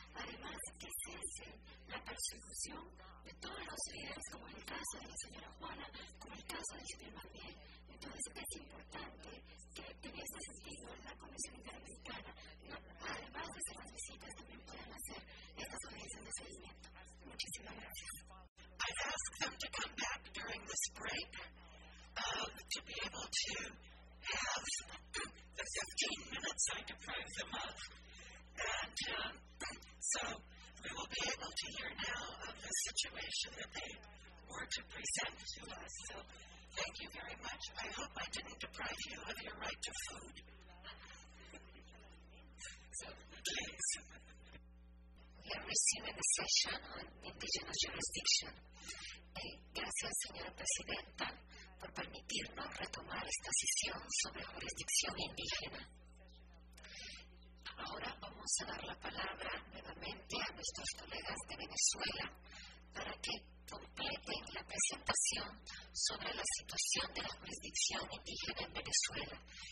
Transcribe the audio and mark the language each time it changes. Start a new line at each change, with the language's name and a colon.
Spanish: Además, que cese la persecución de todos los líderes, como en el caso de la señora Juana, como el caso de Chile Marbiel. Entonces, es importante que en ese sentido la Comisión Interamericana, no, además de hacer las visitas, también puedan hacer estas audiencias de seguimiento. Muchísimas gracias.
English: I've asked them to come back during this break to be able to have the 15 minutes I deprive them of. And so we will be able to hear now of the situation that they were to present to us. So thank you very much. I hope I didn't deprive you of your right to food. So please. We are receiving the session on indigenous jurisdiction.
Spanish: Gracias, señora presidenta, por permitirnos retomar esta sesión sobre jurisdicción indígena. Ahora vamos a dar la palabra nuevamente a nuestros colegas de Venezuela para que completen la presentación sobre la situación de la jurisdicción indígena en Venezuela.